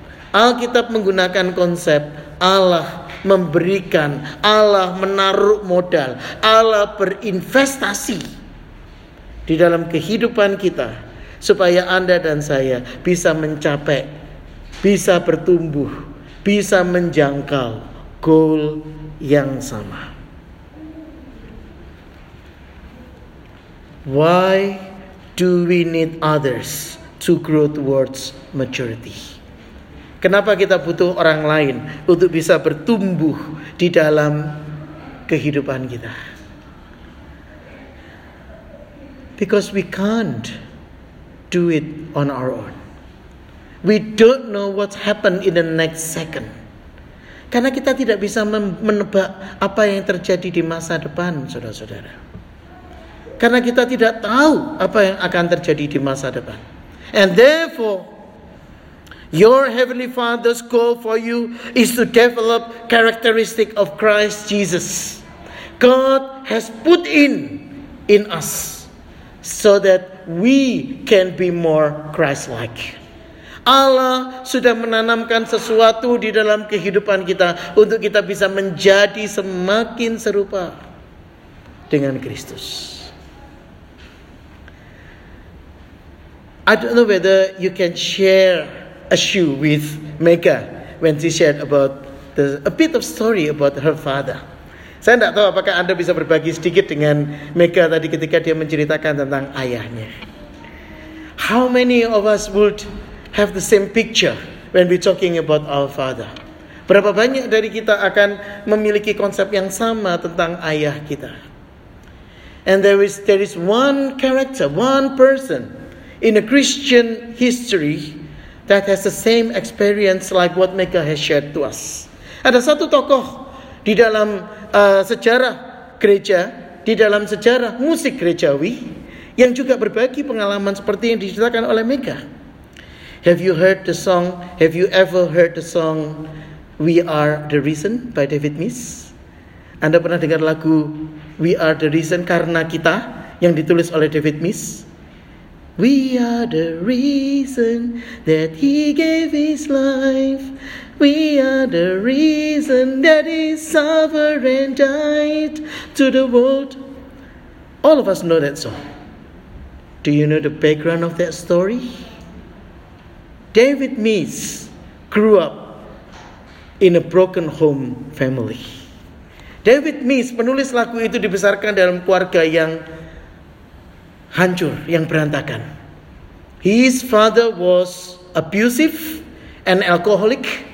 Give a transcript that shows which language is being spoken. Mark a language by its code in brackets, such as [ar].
[id] Alkitab menggunakan konsep Allah memberikan, Allah menaruh modal, Allah berinvestasi di dalam kehidupan kita supaya Anda dan saya bisa mencapai, bisa bertumbuh, bisa menjangkau goal yang sama. [en] Why do we need others to grow towards maturity? [id] Kenapa kita butuh orang lain untuk bisa bertumbuh di dalam kehidupan kita? [en] Because we can't do it on our own. We don't know what's happened in the next second. [id] Karena kita tidak bisa menebak apa yang terjadi di masa depan, saudara-saudara. Karena kita tidak tahu apa yang akan terjadi di masa depan. [en] And therefore, your Heavenly Father's goal for you is to develop characteristic of Christ Jesus. God has put in us so that we can be more Christ-like. [id] Allah sudah menanamkan sesuatu di dalam kehidupan kita untuk kita bisa menjadi semakin serupa dengan Kristus. [en] I don't know whether you can share a shoe with Mega when she shared about a bit of story about her father. [id] Saya tidak tahu apakah Anda bisa berbagi sedikit dengan Mega tadi ketika dia menceritakan tentang ayahnya. [en] How many of us would have the same picture when we talking about our father? [id] Berapa banyak dari kita akan memiliki konsep yang sama tentang ayah kita? [en] And there is one character, one person in a Christian history that has the same experience like what Mega has shared to us. [id] Ada satu tokoh di dalam sejarah gereja, di dalam sejarah musik gerejawi yang juga berbagi pengalaman seperti yang diceritakan oleh Mega. [en] Have you ever heard the song We Are The Reason by David Mills? [id] Anda pernah dengar lagu We Are The Reason, karena kita, yang ditulis oleh David Mills? [en] We are the reason that he gave his life. We are the reason that he suffered and died to the world. All of us know that song. Do you know the background of that story? David Mills grew up in a broken home family. [id] David Mills, penulis lagu itu, dibesarkan dalam keluarga yang hancur, yang berantakan. [en] His father was abusive and alcoholic.